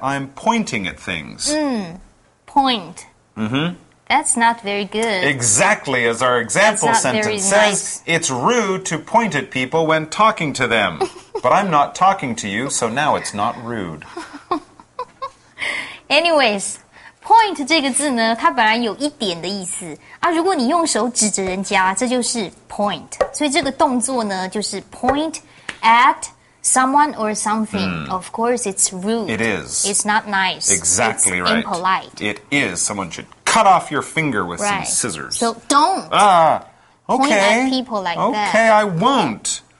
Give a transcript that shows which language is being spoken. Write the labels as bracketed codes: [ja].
[en] I'm pointing at things. Point. That's not very good. Exactly, as our example sentence says, it's rude to point at people when talking to them. But I'm not talking to you, so now it's not rude. Anyways, [zh] point 这个字呢，它本来有一点的意思啊。如果你用手指着人家，这就是 point。所以这个动作呢，就是 [en] point at someone or something. Of course, it's rude. It is. It's not nice. Exactly, it's right. Impolite. It is. Someone should cut off your finger with some scissors. So don't. Point at people like that. Okay, I won't.